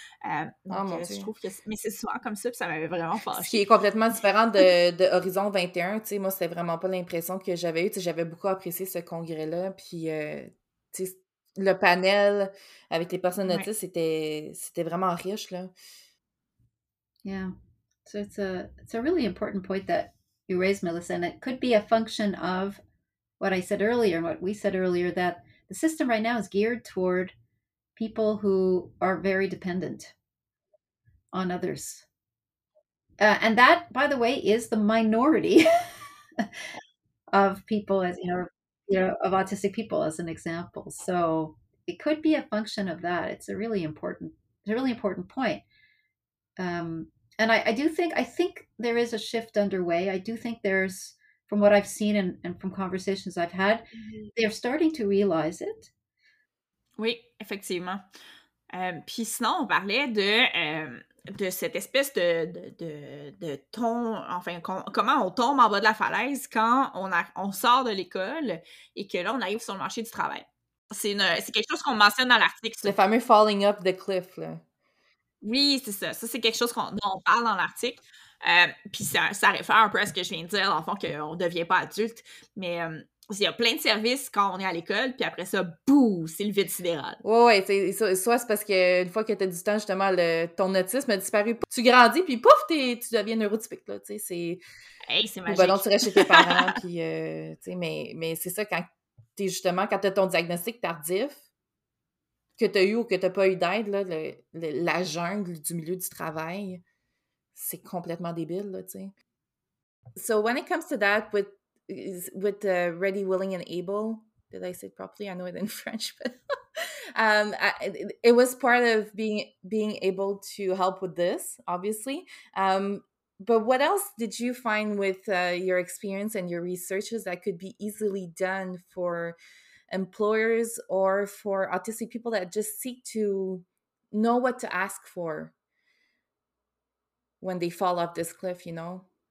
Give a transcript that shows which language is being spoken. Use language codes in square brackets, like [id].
[fr] Je trouve que c'est souvent comme ça, puis ça m'avait vraiment fâché. Ce qui est complètement différent de Horizon 21, tu sais, moi, c'était vraiment pas l'impression que j'avais eue, tu sais, j'avais beaucoup apprécié ce congrès-là, puis, tu sais, le panel avec les personnes autistes, c'était vraiment riche, là. [en] Yeah. So it's a really important point that you raised, Melissa, and it could be a function of what I said earlier and what we said earlier, that the system right now is geared toward people who are very dependent on others. And that, by the way, is the minority of people, as you know, of autistic people, as an example. So it could be a function of that. It's a really important point. And I think there is a shift underway. I do think there's, from what I've seen and from conversations I've had, they're starting to realize it. [fr] Oui, effectivement. Puis sinon, on parlait de cette espèce de ton, enfin, comment on tombe en bas de la falaise quand on sort de l'école et que là, on arrive sur le marché du travail. C'est quelque chose qu'on mentionne dans l'article. Le fameux « [en] falling up the cliff [fr] », là. Oui, c'est ça. Ça, c'est quelque chose dont on parle dans l'article. Puis ça réfère un peu à ce que je viens de dire, dans le fond, qu'on ne devient pas adulte. Mais il y a plein de services quand on est à l'école, puis après ça, bouh, c'est le vide sidéral. Oui, soit c'est parce qu'une fois que tu as du temps, justement, ton autisme a disparu, tu grandis, puis pouf, tu deviens neurotypique, là, tu sais, c'est... Hey, c'est magique. Ou ben, tu restes chez tes parents, puis, tu sais, mais c'est ça, quand tu as ton diagnostic tardif, que tu as eu ou que tu n'as pas eu d'aide, là, la jungle du milieu du travail, c'est complètement débile, là, tu sais. [en] So when it comes to that with ready, willing, and able, did I say it properly? I know it in French, but it was part of being able to help with this, obviously. But what else did you find with your experience and your researches that could be easily done for employers or for autistic people that just seek to know what to ask for when they fall off this cliff, you know?